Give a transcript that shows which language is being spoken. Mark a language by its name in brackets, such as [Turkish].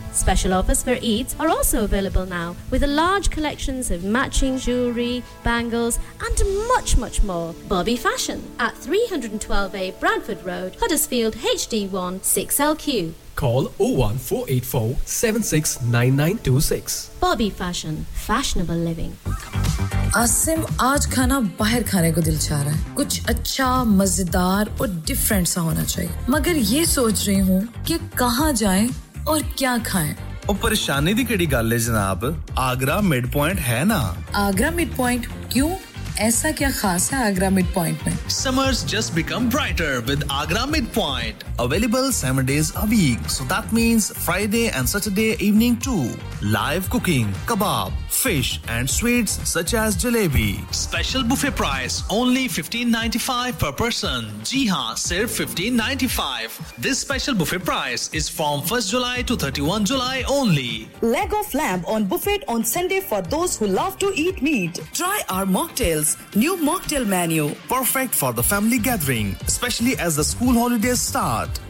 [English] Special offers for Eids are also available now, with a large collections of matching jewellery, bangles and much, much more. Bobby Fashion at 312A Bradford Road, Huddersfield HD1 6LQ. Call 01484 769926. Bobby Fashion, fashionable living. [Hindi] Asim, आज खाना बाहर खाने को दिल चाह रहा है कुछ अच्छा मजेदार और डिफरेंट सा होना चाहिए मगर ये सोच रही हूं कि कहां जाएं और क्या खाएं [Punjabi] ओ परेशानी दी केड़ी गल है जनाब आगरा मिड पॉइंट है ना [Hindi] आगरा मिड पॉइंट क्यों ऐसा क्या खास है आगरा मिड पॉइंट में [English] summers just become brighter with Agra mid point available 7 days a week so that means Friday and Saturday evening to live cooking kebab fish and sweets such as jalebi special buffet price only $15.95 per person [Hindi] जी हां सिर्फ [English] $15.95 this special buffet price is from 1st July to 31 July only leg of lamb on buffet on Sunday for those who love to eat meat try our mocktail New mocktail menu. Perfect for the family gathering, especially as the school holidays start.